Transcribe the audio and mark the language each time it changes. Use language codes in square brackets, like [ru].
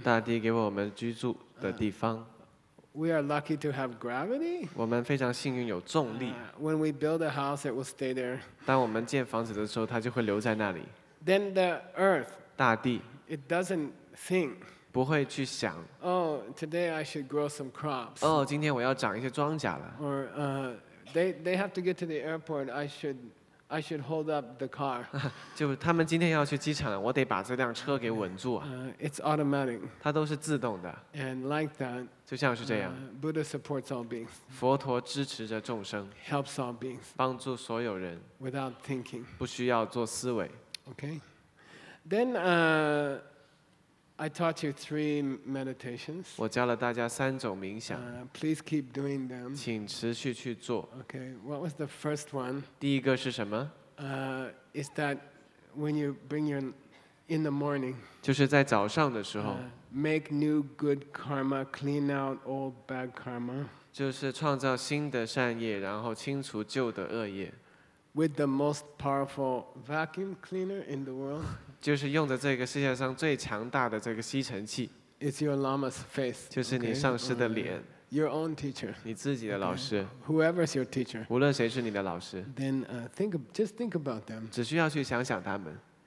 [zh] 大地给我们居住的地方。 [en] We are lucky to have gravity. [zh] 我们非常幸运有重力。 [en] When we build a house, it will stay there. [zh] 当我们建房子的时候，它就会留在那里。 [en] Then the earth. [zh] 大地。 [en] It doesn't think. [zh] 不会去想。 [en] Oh, today I should grow some crops. [zh] 哦，今天我要长一些庄稼了。 [en] Or they have to get to the airport. I should hold up the car. [zh] 就他们今天要去机场了，我得把这辆车给稳住啊。 [en] It's automatic. [zh] 它都是自动的。 [en] And like that. [zh] 就像是这样。 [en] Buddha supports all beings. [zh] 佛陀支持着众生。 [en] Helps all beings. [zh] 帮助所有人。 [en] Without thinking. [zh] 不需要做思维。 [en] Okay. Then, I taught you three meditations. [zh] 我教了大家三种冥想。 [en] Please keep doing them. [zh] 请持续去做。 [en] Okay, what was the first one? [zh] 第一个是什么？ [en] Is that when you bring your in the morning? [zh] 就是在早上的时候。 [en] Make new good karma, clean out old bad karma. [zh] 就是创造新的善业，然后清除旧的恶业。 [en] With the most powerful vacuum cleaner in the world. [zh] 就是用着这个世界上最强大的这个吸尘器。 [en] It's your lama's face. [zh] 就是你上师的脸。 [en] Okay. Your own teacher. [zh] 你自己的老师。 [en] Okay. Whoever's your teacher. [zh] 无论谁是你的老师。 [en] Then think about them. [zh] 只需要去想想他们。